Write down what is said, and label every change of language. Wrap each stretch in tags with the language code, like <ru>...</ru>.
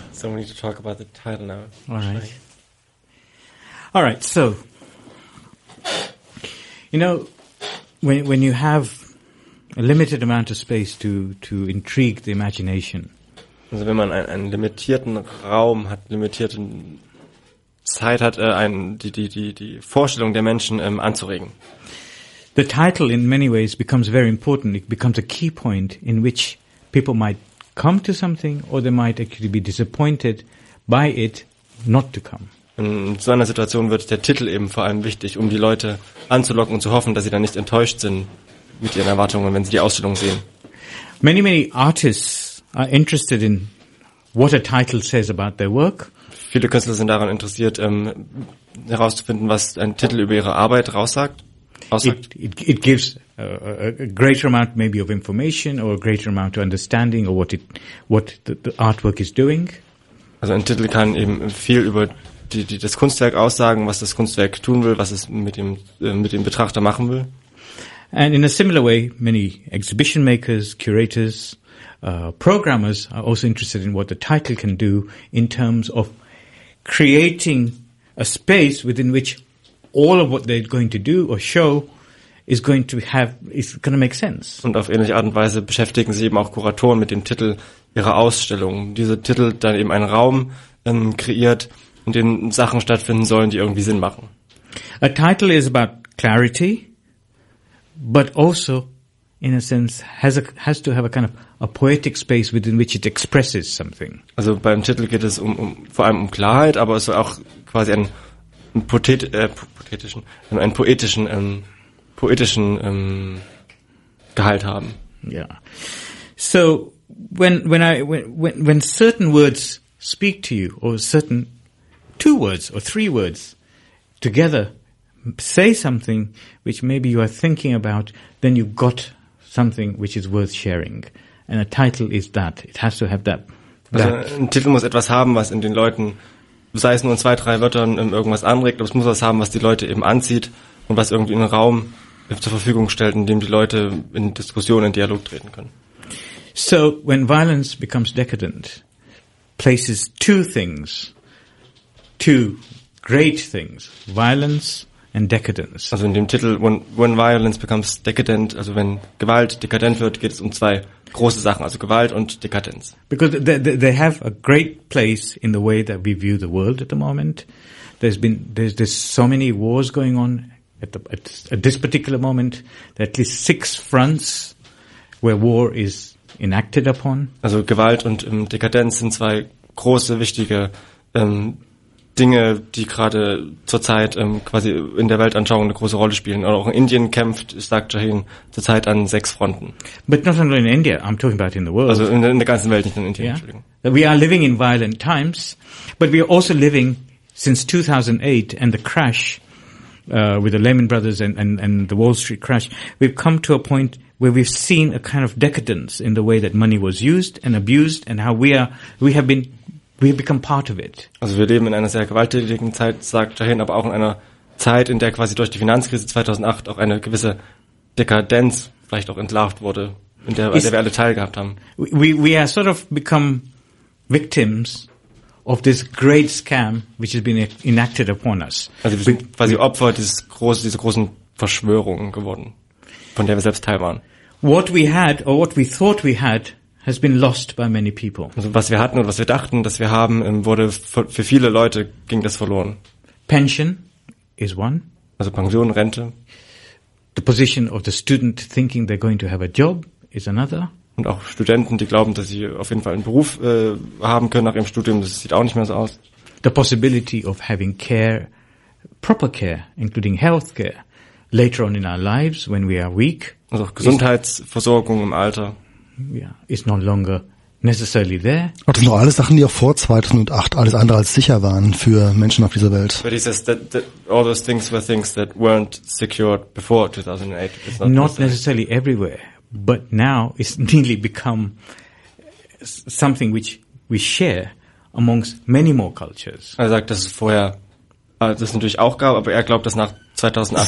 <en>So we need to talk about the title now. Alright. Alright, so. You know, when you have a limited amount of space to intrigue the imagination.</en> <de>Also wenn man einen limitierten Raum hat, limitierte Zeit hat, die Vorstellung der Menschen anzuregen.</de> <en>The title in many ways becomes very important. It becomes a key point in which people might come to something or they might actually be disappointed by it not to come.</en> <de>In so einer Situation wird der Titel eben vor allem wichtig, um die Leute anzulocken und zu hoffen, dass sie dann nicht enttäuscht sind mit ihren Erwartungen, wenn sie die Ausstellung sehen.</de> <en>Many, many artists are interested in what a title says about their work.</en> <de>Viele Künstler sind daran interessiert, herauszufinden, was ein Titel über ihre Arbeit raussagt.</de> <en>It gives a greater amount maybe of information or a greater amount of understanding of what the artwork is doing.</en> <de>Also ein Titel kann eben viel über das Kunstwerk aussagen, was das Kunstwerk tun will, was es mit dem Betrachter machen will.</de> <en>And in a similar way, many exhibition makers, curators, programmers are also interested in what the title can do in terms of creating a space within which all of what they're going to do or show is going to make sense.</en> <de>Und auf ähnliche Art und Weise beschäftigen sich eben auch Kuratoren mit dem Titel ihrer Ausstellung. Dieser Titel dann eben einen Raum kreiert, in dem Sachen stattfinden sollen, die irgendwie Sinn machen.</de> <en>A title is about clarity, but also, in a sense, has to have a kind of a poetic space within which it expresses something.</en> <de>Also beim Titel geht es vor allem um Klarheit, aber es ist auch quasi einen poetischen Gehalt haben.</de> <en>Yeah. So when certain words speak to you, or certain two words or three words together say something which maybe you are thinking about, then you've got something which is worth sharing. And a title is that. It has to have that.</en> <de>Also ein Titel muss etwas haben, was in den Leuten, sei es nur in zwei, drei Wörtern, irgendwas anregt, aber es muss was haben, was die Leute eben anzieht und was irgendwie einen Raum zur Verfügung stellt, in dem die Leute in Diskussionen, in Dialog treten können.</de> <en>So, when violence becomes decadent, places two things, two great things, violence and decadence.</en> <de>Also in dem Titel</de> <en>when violence becomes decadent,</en> <de>also wenn Gewalt dekadent wird, geht es um zwei große Sachen, also Gewalt und Dekadenz.</de> <en>Because they have a great place in the way that we view the world at the moment. There's so many wars going on at this particular moment. There are at least 6 fronts where war is enacted upon.</en> <de>Also Gewalt und Dekadenz sind zwei große wichtige Dinge, die gerade zurzeit quasi in der Weltanschauung eine große Rolle spielen. Auch in Indien kämpft, sagt Shaheen, zurzeit an 6 Fronten.</de> <en>But not only in India, I'm talking about in the world.</en> <de>Also in der ganzen Welt, nicht in Indien, Entschuldigung.</de> <en>We are living in violent times, but we are also living since 2008 and the crash with the Lehman Brothers and the Wall Street crash, we've come to a point where we've seen a kind of decadence in the way that money was used and abused and how we have become part of it.</en> <de>Also wir leben in einer sehr gewalttätigen Zeit, sagt Shaheen, aber auch in einer Zeit, in der quasi durch die Finanzkrise 2008 auch eine gewisse Dekadenz vielleicht auch entlarvt wurde, an der wir alle teilgehabt haben.</de> <en>We have sort of become victims of this great scam which has been enacted upon us.</en> <de>Also wir sind quasi Opfer dieser großen Verschwörung geworden, von der wir selbst Teil waren.</de> <en>What we had or what we thought we had has been lost by many people.</en> <de>Also was wir hatten und was wir dachten, dass wir haben, wurde für viele Leute ging das verloren.</de> <en>Pension is one.</en> <de>Also Pension, Rente.</de> <en>The position of the student thinking they're going to have a job is another.</en> <de>Und auch Studenten, die glauben, dass sie auf jeden Fall einen Beruf haben können nach ihrem Studium, das sieht auch nicht mehr so aus.</de> <en>The possibility of having care, proper care, including health care, later on in our lives when we are weak.</en> <de>Also auch Gesundheitsversorgung im Alter.</de> <en>Yeah, is no longer necessarily there.</en> <de>Das sind doch alles Sachen, die auch vor 2008 alles andere als sicher waren für Menschen auf dieser Welt.</de> <en>But he says that all those things were things that weren't secured before 2008. It's not necessarily everywhere, but now it's nearly become something which we share amongst many more cultures.</en> <de>Er sagt, dass es vorher das natürlich auch gab, aber er glaubt, dass nach 2008</de>